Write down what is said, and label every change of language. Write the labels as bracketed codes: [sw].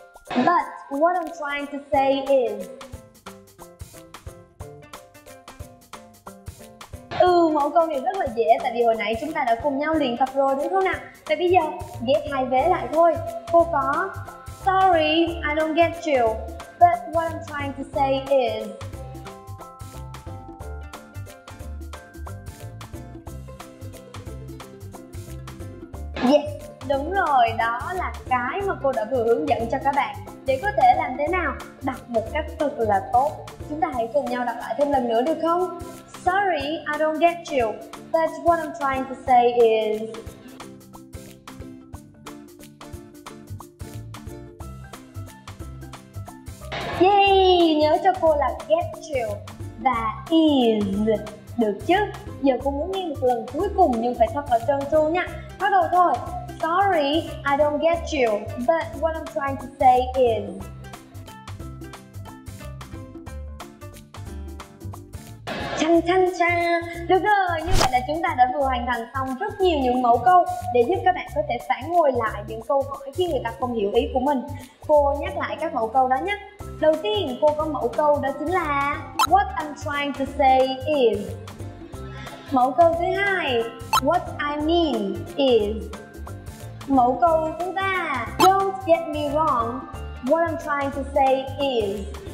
[en] But what I'm trying to say is. [vi] Ừ, mẫu câu này rất là dễ, tại vì hồi nãy chúng ta đã cùng nhau luyện tập rồi đúng không nào? Vậy bây giờ ghép hai vế lại thôi. Cô có [en] sorry, I don't get you, but what I'm trying to say is. [vi] Yes, đúng rồi, đó là cái mà cô đã vừa hướng dẫn cho các bạn. Để có thể làm thế nào đọc một cách thật là tốt, chúng ta hãy cùng nhau đọc lại thêm lần nữa được không? [en] Sorry, I don't get you, but what I'm trying to say is. [vi] Yay, nhớ cho cô là get you và is. Được chứ? Giờ cô muốn nghe một lần cuối cùng nhưng phải thật là trơn tru nha. Bắt đầu thôi. [en] Sorry, I don't get you, but what I'm trying to say is. Chăng chăng chăng. [vi] Được rồi, như vậy là chúng ta đã vừa hoàn thành xong rất nhiều những mẫu câu để giúp các bạn có thể phản hồi lại những câu hỏi khi người ta không hiểu ý của mình. Cô nhắc lại các mẫu câu đó nhé. Đầu tiên, cô có mẫu câu đó chính là [en] what I'm trying to say is. [vi] Mẫu câu thứ hai, [en] what I mean is. [vi] Mẫu câu thứ ba, [en] don't get me wrong, what I'm trying to say is.